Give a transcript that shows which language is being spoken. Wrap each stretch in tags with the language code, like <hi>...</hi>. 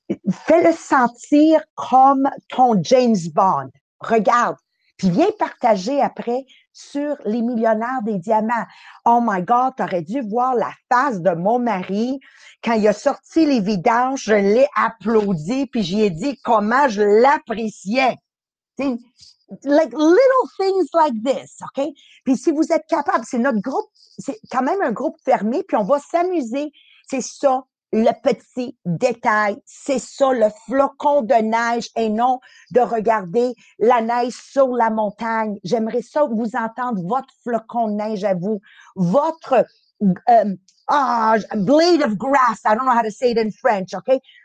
<fr>Fais-le sentir comme ton James Bond. Regarde. Puis viens partager après sur Les Millionnaires des Diamants.</fr> <en>Oh my God,</en> <fr>t'aurais dû voir la face de mon mari. Quand il a sorti les vidanges, je l'ai applaudi puis j'y ai dit comment je l'appréciais.</fr> <en>T'sais, like little things like this, OK?</en> <fr>Puis si vous êtes capable, c'est notre groupe, c'est quand même un groupe fermé puis on va s'amuser. C'est ça, le petit détail, c'est ça, le flocon de neige, et non de regarder la neige sur la montagne. J'aimerais ça vous entendre, votre flocon de neige à vous, votre</fr> <en>blade of grass, I don't know how to say it in French, OK?</en>